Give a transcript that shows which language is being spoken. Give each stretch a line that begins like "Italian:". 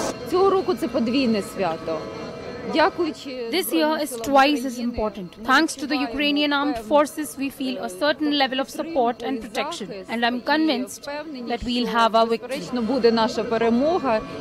Ukrainian: Цього року це подвійне свято.
English: This year is twice as important. Thanks to the Ukrainian armed forces, we feel a certain level of support and protection. And I'm convinced that we'll have our victory.
Ukrainian: Звісно, буде наша перемога.